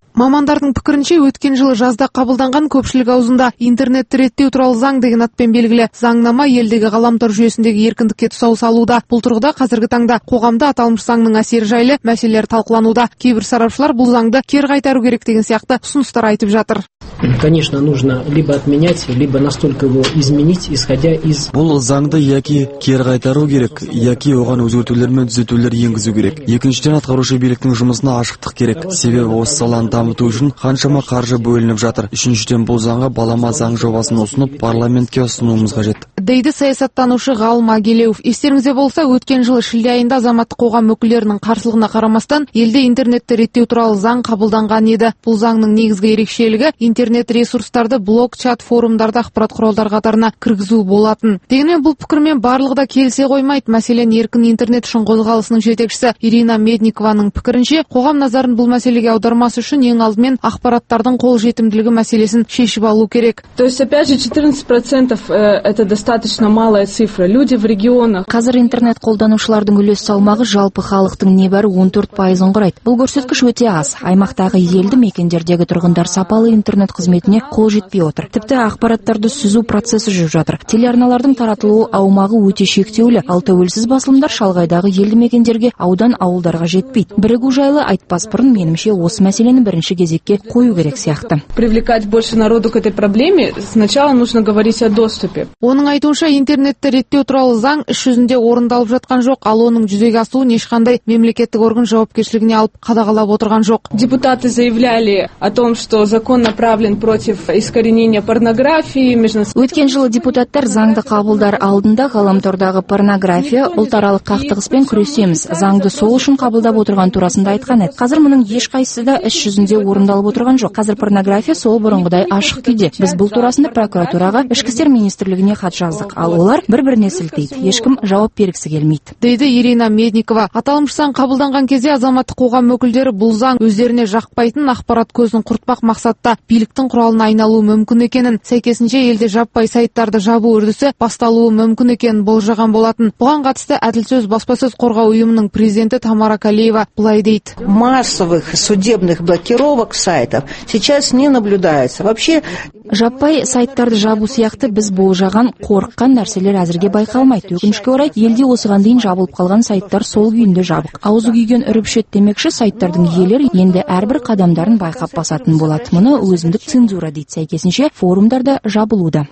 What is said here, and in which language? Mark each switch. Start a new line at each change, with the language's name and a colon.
Kazakh: Мамандардың пікірінше, өткен жылы жазда қабылданған көпшілік аузында интернетті реттеу туралы заң деген атпен белгілі заңнама елдегі ғаламтор жүйесіндегі еркіндікке тұсау салуда. Бұл тұрғыда қазіргі таңда қоғамда аталмыш заңның әсері жайлы мәселелер талқылануда. Кейбір сарапшылар бұл заңды кері қайтару керек деген сияқты ұсыныстар айтып жатыр.
Russian: Конечно, нужно либо отменять, либо настолько его изменить, исходя из
Kazakh: Бұл заңды яки кері қайтару керек, яки оған өзгертулер мен түзетулер енгізу керек. Екіншіден, атқарушы биліктің жұмысына ашықтық керек. Себебі осы саланы дамыту үшін қаншама қаржы бөлініп жатыр. Үшіншіден, бұл заңға балама заң жобасын ұсынып, парламентке ұсынуымыз қажет. Дейді саясаттанушы ғалым Агелеев. Естеріңізде болса, өткен жылы шілде айында азаматтық қоғам өкілдерінің қарсылығына қарамастан, елде интернетті реттеу туралы заң қабылданған еді. Бұл заңның негізгі ерекшелігі интернет ресурстарды блог, чат, форумдарда ақпарат құралдар қатарына кіргізу болатын. Дегенмен бұл пікірмен барлығы да келісе қоймайды. Мәселен, еркін интернет үшін қозғалысының жетекшісі Ирина Медникованың пікірінше, қоғам назарын бұл мәселеге аудармас үшін ең ең алдымен ақпараттардың қол жетімділігі мәселесін шешіп алу керек.
Russian: То есть опять же 14% это достаточно малая цифра. Люди в регионах.
Kazakh: Қазір интернет қолданушылардың үлес салмағы жалпы халықтың небәрі 14% құрайды. Бұл көрсеткіш өте аз. Аймақтағы елді мекендердегі тұрғындар сапалы интернет қызметіне қол жетпей отыр. Тіпті ақпараттарды сүзу процесі жүріп жатыр. Телеарналардың таратылуы аумағы өте шектеулі. Ал тәуелсіз басылымдар шалғайдағы елді мекендерге аудан ауылдарға жетпейді. Бірігу жайлы айтпас бұрын менімше осы мәселені бірінші кезекке қою керек сияқты.
Russian: Привлекать больше народу к этой проблеме, сначала нужно говорить о доступе.
Kazakh: Оның айтуынша интернетті реттеу туралы заң іс жүзінде орындалып жатқан жоқ, ал оның жүзеге асуын ешқандай мемлекеттік орган жауапкершілігіне алып қадағалап отырған жоқ.
Russian: Депутаты заявляли о том, что закон направлен против искоренения порнографии.
Kazakh: Өткен жылы депутаттар заңды қабылдар алдында ғаламтордағы порнография ұлтаралық қақтығыспен күресеміз, заңды сол үшін қабылдап отырған турасында айтқан еді. Қазір мұның ешқайсысы да іс жүзінде орындалып отырған жоқ. Қазір порнография сол бұрынғыдай ашық күйде. Біз бұл турасында прокуратураға, Ішкі істер министрлігіне хат жаздық, ал олар бір-біріне сілтейді. Ешкім жауап бергісі келмейді. Дейді Ирина Медникова. Аталмыш заң қабылданған кезде азаматтық қоғам өкілдері бұл заң өздеріне жақпайтын ақпарат көзін құртпақ мақсатта биліктің құралына айналуы мүмкін екенін, сәйкесінше елде жаппай сайттарды жабу үрдісі басталуы мүмкін екенін болжаған болатын. Бұған қатысты Әділсөз баспасөз қорғау ұйымының президенті Тамара Калеева былай дейді.
Russian: Массовых судебных блокировок сайтов сейчас не наблюдается. Вообще
Kazakh: жаппай сайттарды жабу сияқты біз болжаған қорыққан нәрселер әзірге байқалмайды. Өкінішке орай елде осыған дейін жабылып қалған сайттар сол күйінде жабық. Аузы күйген үріпшет демекші сайттардың иелері енді әрбір қадамдарын байқап басатын болады. Мұны өзіндік цензура дейді. Сәйкесінше форумдар да жабылуда.